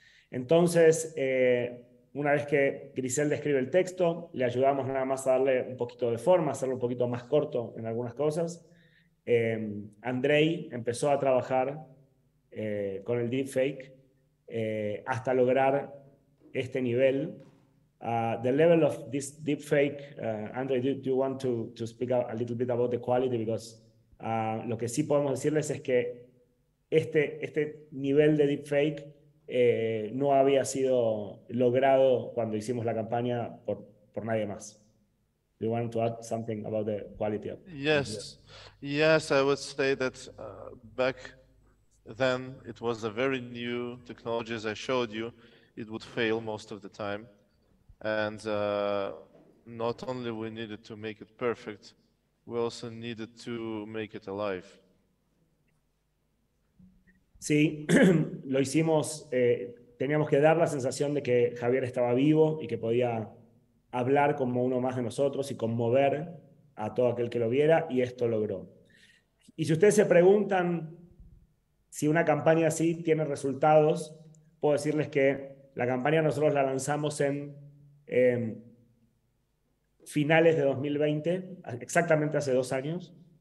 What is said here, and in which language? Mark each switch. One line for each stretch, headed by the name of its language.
Spanish: Entonces, una vez que Griselda escribe el texto, le ayudamos nada más a darle un poquito de forma, hacerlo un poquito más corto en algunas cosas. Andrei empezó a trabajar con el deepfake hasta lograr este nivel.
English: The level of this deepfake, Andrei, do you want to speak a little bit about the quality? Because
Spanish: lo que sí podemos decirles es que este nivel de deepfake no había sido logrado cuando hicimos la campaña por nadie más.
English: Do you want to add something about the quality? Yes, I would say that back then it was a very new technology, as I showed you. It would fail most of the time. And not only we needed to make it perfect, we also needed to make it alive.
Spanish: Sí, lo hicimos, teníamos que dar la sensación de que Javier estaba vivo y que podía hablar como uno más de nosotros y conmover a todo aquel que lo viera, y esto logró. Y si ustedes se preguntan si una campaña así tiene resultados, puedo decirles que la campaña nosotros la lanzamos en finales de 2020, exactamente hace 2 años,